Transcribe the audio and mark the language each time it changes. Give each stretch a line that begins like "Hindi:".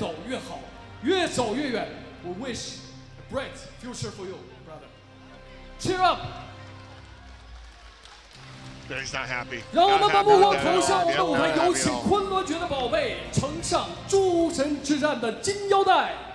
Chinese: 我们也祝福，掌声祝福杜托，在职业生涯越走越好，越走越远.
English: We wish a bright future for you, brother. Cheer up! He's not happy.
Chinese: 让我们把目光投向我们的舞台，有请昆仑决的宝贝，呈上诸神之战的金腰带。